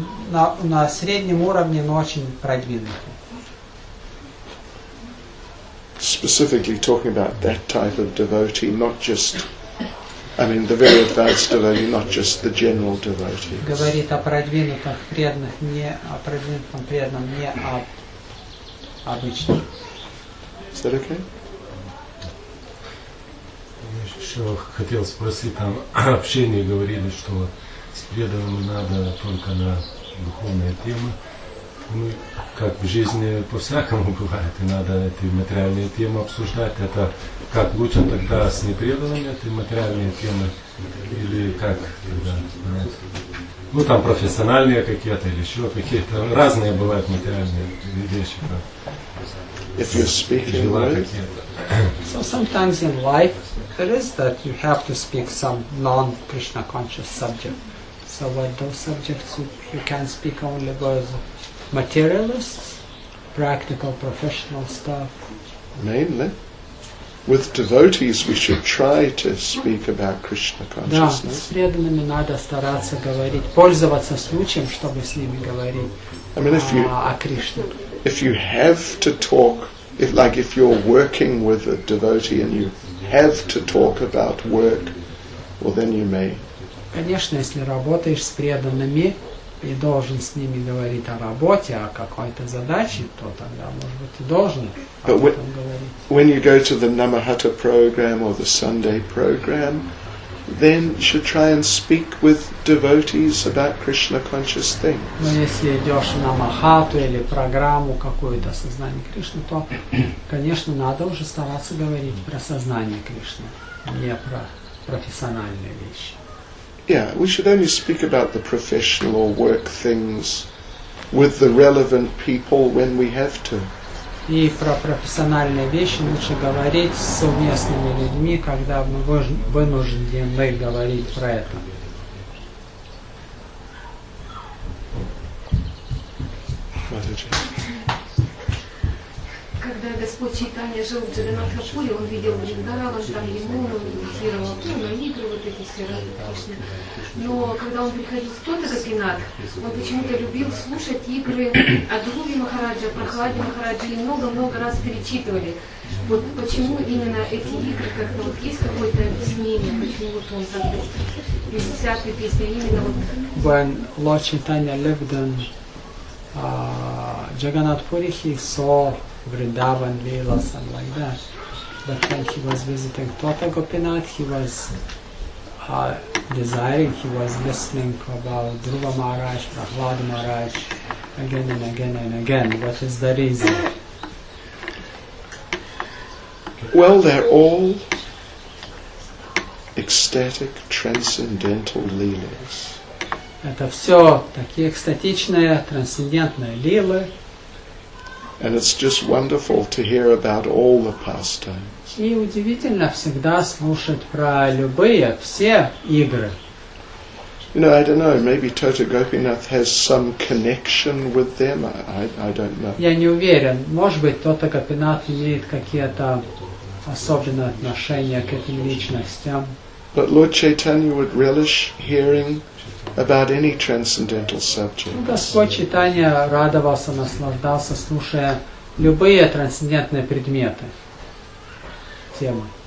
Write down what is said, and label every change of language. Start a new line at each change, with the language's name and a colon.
Russian: На среднем уровне, но очень продвинутый.
English: Specifically talking about that type of devotee, not just, I mean, the very advanced devotee, not just the general devotee.
Russian: Говорит о продвинутых преданных, не о продвинутом преданном, не о обычном.
English: Is that okay?
Russian: Хотел спросить, там общение говорили, что с преданным надо только на духовные темы. Ну, как в жизни по-всякому бывает, и надо эти материальные темы обсуждать. Это как лучше тогда с непреданными эти материальные темы? Или как тогда? Ну, там профессиональные какие-то или еще какие-то. Разные бывают материальные вещи.
English: If you're speaking so sometimes in life it is that you have to speak some non-Krishna conscious subject. So what those subjects you can speak only with materialists, practical professional stuff. Mainly. With devotees we should try to speak about Krishna consciousness.
Russian: Да, с преданными надо стараться говорить, пользоваться случаем, чтобы с ними говорить.
English: I mean,
Russian: о Кришне.
English: If you have to talk, if like if you're working with a devotee and you have to talk about work, well then you may.
Russian: Конечно, если работаешь с преданными и должен с ними говорить о работе, о какой-то задаче, то тогда, может быть, и должен об этом говорить.
English: When you go to the Namahata program or the Sunday program, then you should try and speak with devotees about Krishna conscious things.
Russian: Но если идешь на Махату или программу какую-то сознание Кришны, то, конечно, надо уже стараться говорить про сознание Кришны, не про профессиональные вещи.
English: Yeah, we should only speak about the professional or work things with the relevant people when we have to.
Russian: И про профессиональные вещи лучше говорить с совместными людьми, когда мы вынуждены говорить про это. Когда Господь Читания жил Джаганатхапури, он видел Вриндаван, там ему медитировал, ну, игры вот эти все, Радха Кришна. Но когда он приходил в Тотакапинатх, он почему-то любил слушать игры Адруви Махараджа, Прохлади Махараджа и много-много раз перечитывали. Вот почему именно эти игры, как-то вот есть какое-то объяснение, почему вот он забыл 50-й песни, именно вот...
English: When Lord Chaitanya lived in Jagannathpuri, he saw Vrindavan, Leelas and like that. But when he was visiting Tota Gopinath, he was desiring, he was listening about Dhruva Maharaj, Prahlad Maharaj, again and again and again. What is the reason? Well, they're all ecstatic, transcendental Leelas.
Russian: Это все такие экстатичные, трансцендентные лилы.
English: And it's just wonderful to hear about all the pastimes.
Russian: И удивительно всегда слушать про любые, все игры.
English: You know, I don't know, maybe Tota Gopinath has some connection with them, I don't know.
Russian: Я не уверен, может быть, Тота Гопинатх имеет какие-то особенные отношения к этим личностям.
English: But Lord Chaitanya would relish hearing about any transcendental subject.
Russian: Господь Читания радовался, наслаждался, слушая любые трансцендентные предметы, темы.